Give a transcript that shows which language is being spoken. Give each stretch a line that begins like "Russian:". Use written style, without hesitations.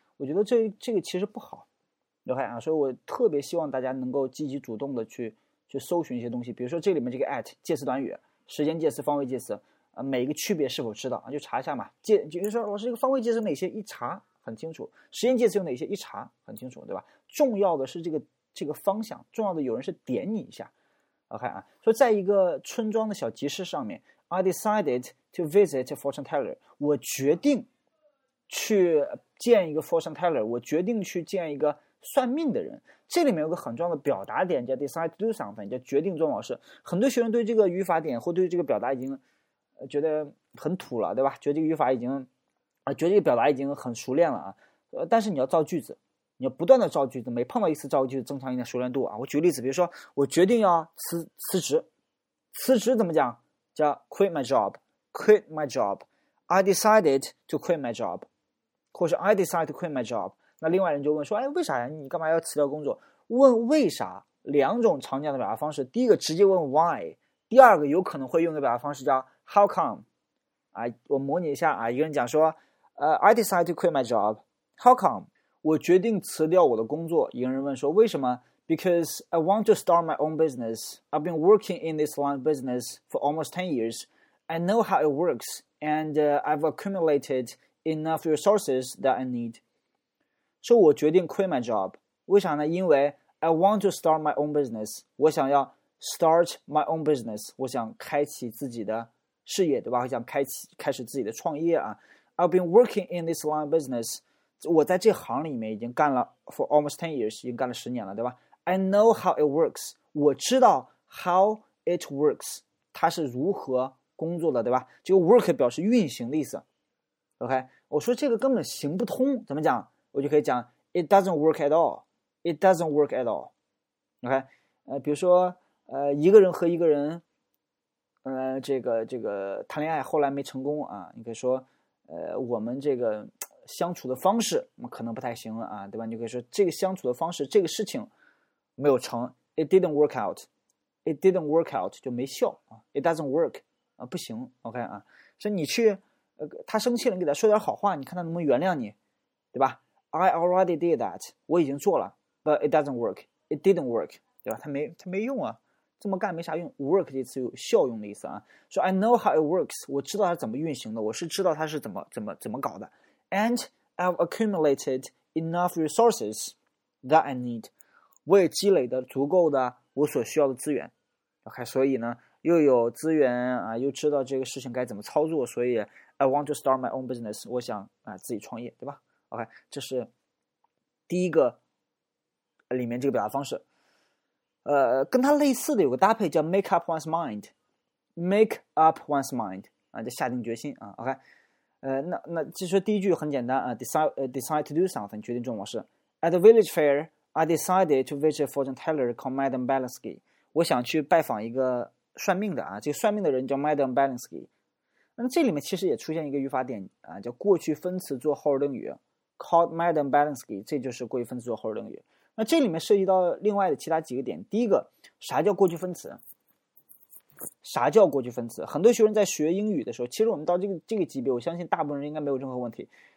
Chinese: 我觉得这个其实不好，刘海啊，所以我特别希望大家能够积极主动的去搜寻一些东西，比如说这里面这个 at 介词短语。时间介词、方位介词，每一个区别是否知道啊？就查一下嘛。就是说，老师，这个方位介词哪些？一查很清楚。时间介词有哪些？一查很清楚，对吧？重要的是这个方向，重要的有人是点你一下。 OK 啊，说在一个村庄的小集市上面 ， I decided to visit a fortune teller。我决定去见一个 fortune teller。我决定去见一个算命的人。这里面有个很重要的表达点，叫 decide to do something， 叫决定做某事。很多学生对这个语法点或对这个表达已经觉得很土了，对吧？觉得这个语法已经觉得这个表达已经很熟练了啊。但是你要造句子，你要不断的造句子，每碰到一次造句子，增强一点熟练度啊。我举个例子，比如说我决定要辞职，怎么讲？
English: 叫 quit my job， quit my job， I decided to quit my job，或是 I decided to quit my job。
Chinese: 那另外人就问说，哎，为啥呀？你干嘛要辞掉工作？问为啥，两种常见的表达方式，第一个直接问 why， 第二个有可能会用的表达方式叫 how come。我模拟一下啊，一个人讲说 I decided to quit my job， how come，我决定辞掉我的工作。
English: 一个人问说为什么， because I want to start my own business， I've been working in this line of business for almost 10 years， I know how it works， and I've accumulated enough resources that I need。
Chinese: 说我决定 quit my job， 为啥呢？因为 I want to start my own business，我想要 start my own business，我想开启自己的事业，对吧？我想开始自己的创业啊。 I've been working in this line of business，我在这行里面已经干了 for almost 10 years，已经干了10年了，对吧？ I know how it works，我知道 how it works， 它是如何工作的，对吧？这个 work 表示运行的意思。OK， 我说这个根本行不通，怎么讲？
English: 我就可以讲 it doesn't work at all， it doesn't work at all。
Chinese: OK， 比如说一个人和一个人这个谈恋爱后来没成功啊，你可以说我们这个相处的方式可能不太行了啊，对吧？你可以说这个相处的方式，这个事情没有成， it didn't work out， it didn't work out 就没效啊， it doesn't work 啊，不行。 OK 啊，所以你去他生气了，你给他说点好话，你看他能不能原谅你，对吧？
English: I already did that，我已经做了， but it doesn't work， it didn't work， 对吧？
Chinese: 他没用啊，这么干没啥用。work 这次有效用的意思啊，说 I know how it works，我知道它怎么运行的，我是知道它是怎么搞的。 And I've accumulated enough resources that I need，我也积累的足够的我所需要的资源。 OK， 所以呢又有资源啊，又知道这个事情该怎么操作，所以 I want to start my own business，我想自己创业，对吧？ OK， 这是第一个里面这个表达方式。跟它类似的有个搭配叫 make up one's mind， make up one's mind 啊，就下定决心啊。 OK， 那其实第一句很简单啊， decide to do something， 决定做某事。
English: At the village fair I decided to visit a fortune teller called Madame Balinski，我想去拜访一个算命的啊，这个算命的人叫 Madame Balinski。
Chinese: 那这里面其实也出现一个语法点啊，叫过去分词做后定语 called Madame Balinski， 这就是过去分词做后定语。那这里面涉及到另外的其他几个点。第一个，啥叫过去分词？啥叫过去分词？很多学生在学英语的时候，其实我们到这个级别，我相信大部分人应该没有任何问题。